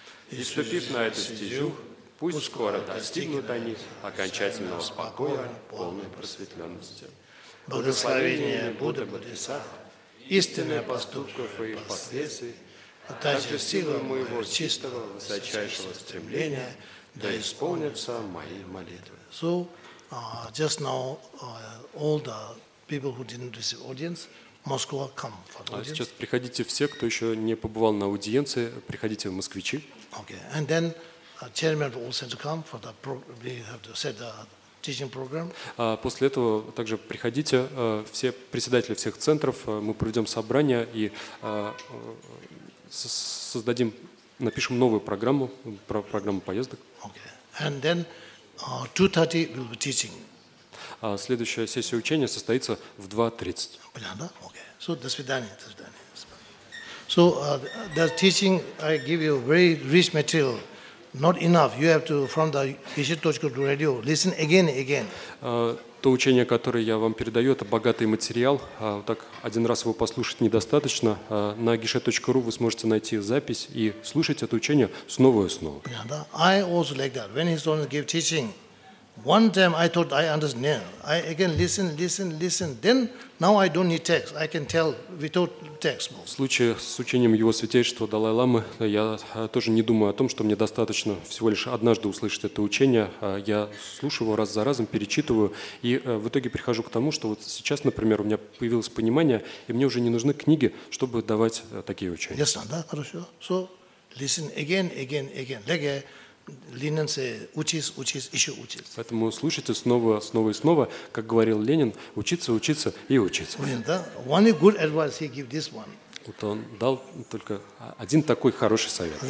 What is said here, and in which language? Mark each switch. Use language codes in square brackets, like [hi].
[ru] И ступив на эту стезю, пусть скоро достигнут они окончательного спокоя, полной просветленности. Благословение Будды Бодхисаттв, истинные поступков и последствий, а также силы моего чистого, высочайшего стремления, да исполнятся мои молитвы. [en] Just now, all the people who didn't receive audience, Moscow, come for the audience. [ru] Сейчас приходите все, кто еще не побывал на аудиенции, приходите в москвичи. [en] Okay, and then chairman also to come for the program. We have to set the teaching program. [ru] После этого также приходите все председатели всех центров. Мы проведем собрание и создадим, напишем новую программу про программу поездок. [en] Okay. And then 2:30 will be teaching. [ru] Следующая сессия учения состоится в 2:30. Понятно? Okay. So, до свидания. До свидания. [en] So, the teaching, I give you very rich material. Not enough. You have to, from the Ishi.ru radio, listen again and again. [ru] То учение, которое я вам передаю, это богатый материал. Так один раз его послушать недостаточно. На Ishi.ru вы сможете найти запись и слушать это учение снова и снова. Понятно? [en] I also like that. When his students give teaching, one time I thought I understand. I again listen. Then now I don't need text. I can tell without text. [ru] В случае с учением Его Святейшества Далай-Ламы я тоже не думаю о том, что мне достаточно всего лишь однажды услышать это учение. Я слушаю его раз за разом, перечитываю и в итоге прихожу к тому, что вот сейчас, например, у меня появилось понимание, и мне уже не нужны книги, чтобы давать такие учения. Ясно, да? Хорошо. [en] So listen again. [ru] Like Ленин сказал, учись, еще учись. Поэтому слушайте снова и снова, как говорил Ленин, учиться. [en] One good advice he gave this one. [ru] Вот он дал только один такой хороший совет.